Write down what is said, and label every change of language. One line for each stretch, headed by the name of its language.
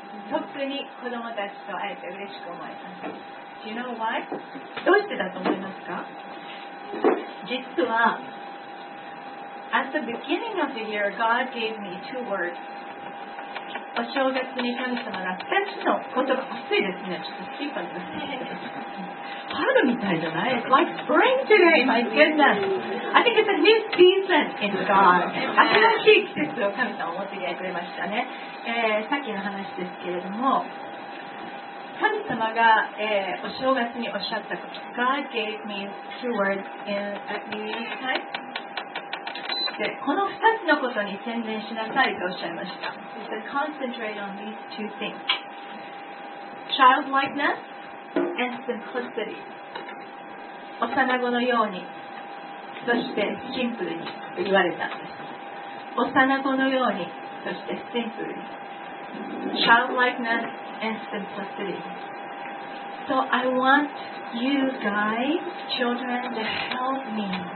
Japanese: 特に子供たちと会えて嬉しく思います。
English: Do you know why?
Japanese: どうしてだと思いますか？実は、
English: at the beginning of the year, God gave me two words.
Japanese: お正月に神様が2つのことが暑いですね。ちょっとスピーカーですね。春みたいじゃない？
English: It's like spring today, my goodness. I think it's a new season in God.
Japanese: 新しい季節を神様を持ってきてくれましたね、さっきの話ですけれども、神様が、お正月におっしゃったこと。
English: God gave me two words in, at New Year's time.
Japanese: でこの2つのことに専念しなさいとおっしゃいました。
English: He said, concentrate on these two things. Childlikeness and simplicity.
Japanese: 幼子のように、そしてシンプルにと言われたんです。幼子のように、そしてシンプルに。
English: Childlikeness and simplicity. So I want you guys, children, to help me.